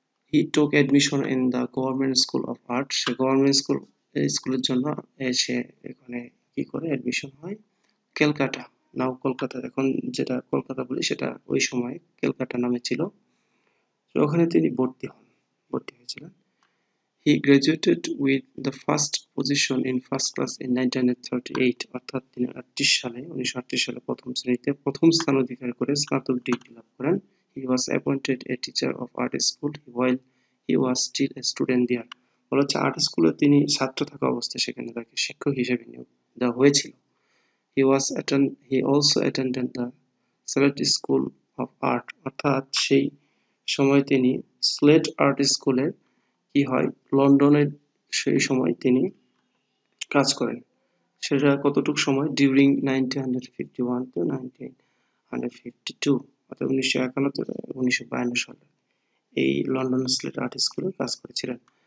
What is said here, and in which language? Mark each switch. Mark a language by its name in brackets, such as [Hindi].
[English] he took admission in the government school of art, [Bangla] say government school স্কুলের জন্য সে এখানে কি করে অ্যাডমিশন হয়, ক্যালকাটা, নাও কলকাতা, এখন যেটা কলকাতা বলি সেটা ওই সময় ক্যালকাটা নামে ছিল, ওখানে তিনি ভর্তি হন, ভর্তি হয়েছিলেন। [English] he graduated with the first position in first class in 1938, [Bangla] অর্থাৎ তিনি 1938 সালে প্রথম শ্রেণীতে প্রথম স্থান অধিকার করে স্নাতক ডিগ্রি লাভ করেন। [English] He was appointed a teacher of art school while he was still a student there. [Bangla] বলা হচ্ছে আর্ট স্কুলে তিনি ছাত্র থাকা অবস্থায় সেখানে তাকে শিক্ষক হিসেবে নিয়োগ দেওয়া হয়েছিল। [English] He also attended the Slate School of Art, [Bangla] অর্থাৎ সেই সময় তিনি স্লেট আর্ট স্কুলে কি হয় লন্ডনের সেই সময় তিনি কাজ করেন, সেটা কতটুকু সময়, ডিউরিং 1951-1952, অর্থাৎ 1951-1952 সালে এই লন্ডন স্লেট আর্ট স্কুলে কাজ করেছিলেন।